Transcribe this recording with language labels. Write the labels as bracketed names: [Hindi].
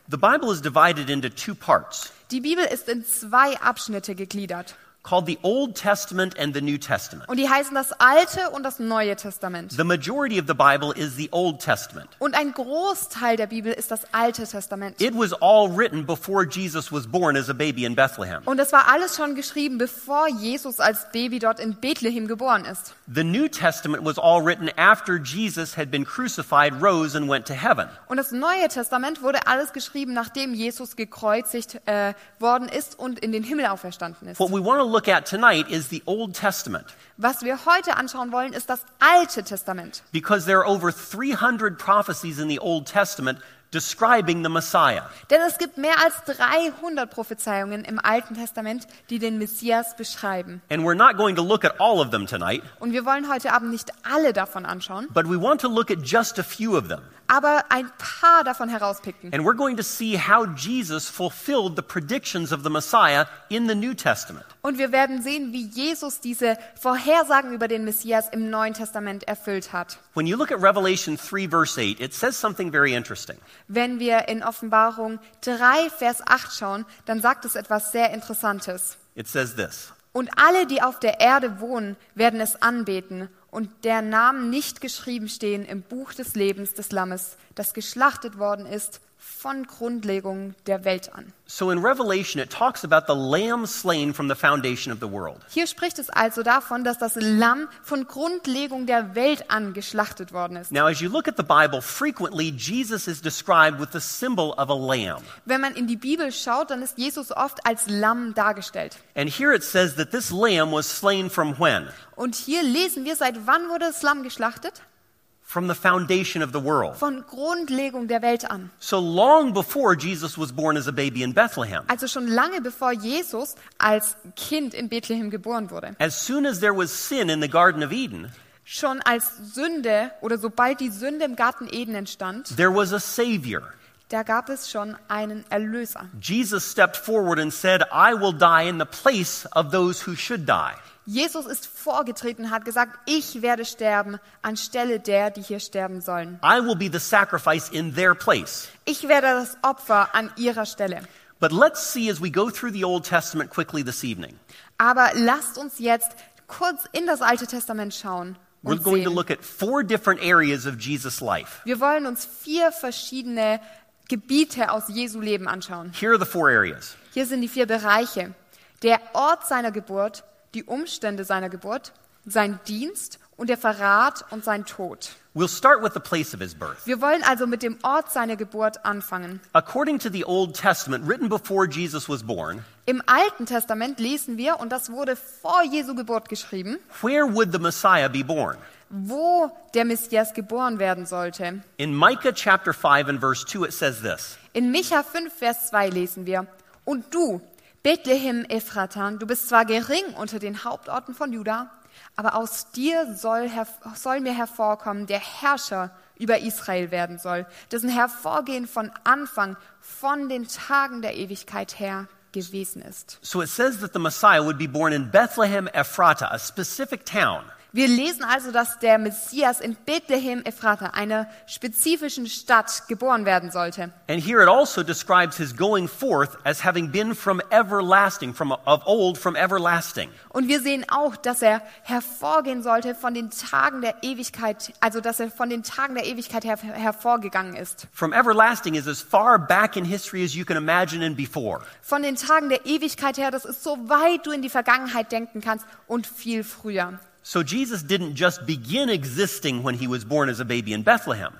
[English] The Bible is divided into two parts. [German] Die Bibel ist in zwei Abschnitte gegliedert. [English] Called the Old Testament and the New Testament. [German] Und die heißen das Alte und das Neue Testament. [English] The majority of the Bible is the Old Testament. [German] Und ein Großteil der Bibel ist das Alte Testament. [English] It was all written before Jesus was born as a baby in Bethlehem. [German] Und es war alles schon geschrieben, bevor Jesus als Baby dort in Bethlehem geboren ist. [English] The New Testament was all written after Jesus had been crucified, rose and went to heaven. [German] Und das Neue Testament wurde alles geschrieben, nachdem Jesus gekreuzigt worden ist und in den Himmel auferstanden ist. [English] What we want to look at tonight is the Old Testament. [German] Was wir heute anschauen wollen, ist das Alte Testament. [English] Because there are over 300 prophecies in the Old Testament describing the Messiah. [German] Denn es gibt mehr als 300 Prophezeiungen im Alten Testament, die den Messias beschreiben. [English] And we're not going to look at all of them tonight. [German] Und wir wollen heute Abend nicht alle davon anschauen. [English] But we want to look at just a few of them. [German] Aber ein paar davon herauspicken. [English] And we're going to see how Jesus fulfilled the predictions of the Messiah in the New Testament. [German] Und wir werden sehen, wie Jesus diese Vorhersagen über den Messias im Neuen Testament erfüllt hat. [English] When you look at Revelation 3 verse 8, it says something very interesting. [German] Wenn wir in Offenbarung 3 Vers 8 schauen, dann sagt es etwas sehr Interessantes. [English] It says this. [German] Und alle, die auf der Erde wohnen, werden es anbeten und der Namen nicht geschrieben stehen im Buch des Lebens des Lammes, das geschlachtet worden ist von Grundlegung der Welt an. [English] So in Revelation it talks about the lamb slain from the foundation of the world. [German] Hier spricht es also davon, dass das Lamm von Grundlegung der Welt an geschlachtet worden ist. [English] Now as you look at the Bible, frequently Jesus is described with the symbol of a lamb. [German] Wenn man in die Bibel schaut, dann ist Jesus oft als Lamm dargestellt. [English] And here it says that this lamb was slain from when? [German] Und hier lesen wir, seit wann wurde das Lamm geschlachtet? [English] From the foundation of the world. [German] Von Grundlegung der Welt an. [English] So long before Jesus was born as a baby in Bethlehem. [German] Also schon lange bevor Jesus als Kind in Bethlehem geboren wurde. [English] As soon as there was sin in the Garden of Eden. [German] Schon als Sünde oder sobald die Sünde im Garten Eden entstand. [English] There was a savior. [German] Da gab es schon einen Erlöser. [English] Jesus stepped forward and said, "I will die in the place of those who should die." [German] Jesus ist vorgetreten und hat gesagt, ich werde sterben anstelle der, die hier sterben sollen. [English] I will be the sacrifice in their place. [German] Ich werde das Opfer an ihrer Stelle. [English] But let's see as we go through the Old Testament quickly this evening. [German] Aber lasst uns jetzt kurz in das Alte Testament schauen. [English] We're going to look at four different areas of Jesus' life. [German] Wir wollen uns vier verschiedene Gebiete aus Jesu Leben anschauen. [English] Here are the four areas. [German] Hier sind die vier Bereiche. Der Ort seiner Geburt, die Umstände seiner Geburt, sein Dienst und der Verrat und sein Tod. [English] We'll start with the place of his birth. [German] Wir wollen also mit dem Ort seiner Geburt anfangen. [English] According to the Old Testament, written before Jesus was born. [German] Im Alten Testament lesen wir, und das wurde vor Jesu Geburt geschrieben. [English] Where would the Messiah be born? [German] Wo der Messias geboren werden sollte. [English] In Micah chapter 5 and verse 2 it says this. [German] In Micha 5 Vers 2 lesen wir: Und du, Bethlehem Ephrathah, du bist zwar gering unter den Hauptorten von Juda, aber aus dir soll mir hervorkommen, der Herrscher über Israel werden soll, dessen Hervorgehen von Anfang, von den Tagen der Ewigkeit her gewesen ist. [English] So it says that the Messiah would be born in Bethlehem Ephrathah, a specific town. [German] Wir lesen also, dass der Messias in Bethlehem Ephrathah, einer spezifischen Stadt, geboren werden sollte. [English] And here it also describes his going forth as having been from everlasting, from of old, from everlasting. [German] Und wir sehen auch, dass er hervorgehen sollte von den Tagen der Ewigkeit, also dass er von den Tagen der Ewigkeit hervorgegangen ist. [English] From everlasting is as far back in history as you can imagine and before. [German] Von den Tagen der Ewigkeit her, das ist so weit du in die Vergangenheit denken kannst und viel früher. [English] So Jesus didn't just begin existing when he was born as a baby in Bethlehem.